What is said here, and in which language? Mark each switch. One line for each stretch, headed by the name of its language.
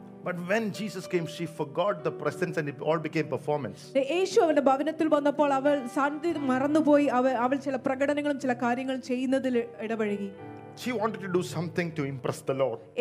English: But when Jesus came, she forgot the presence and it all became performance.
Malayalam: യേശു അവന്റെ ഭവനത്തിൽ വന്നപ്പോൾ അവൾ സാന്നിധ്യം മറന്നുപോയി. അവൾ ചില പ്രകടനങ്ങളും ചില കാര്യങ്ങളും ചെയ്യുന്നതിൽ ഇടപഴകി.
English: She wanted to do something to impress the Lord.